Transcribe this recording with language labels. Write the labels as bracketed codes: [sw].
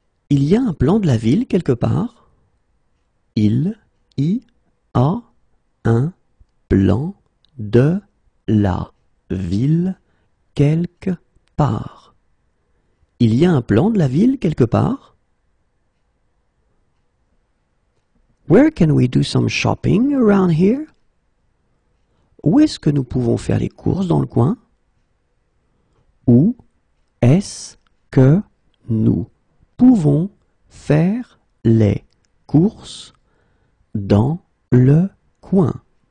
[fr] Il y a un plan de la ville quelque part? Il y a un plan de la ville quelque part. Il y a un plan de la ville quelque part? [en] Where can we do some shopping around here? [fr] Où est-ce que nous pouvons faire les courses dans le coin? Où est-ce que nous pouvons faire les courses dans le coin?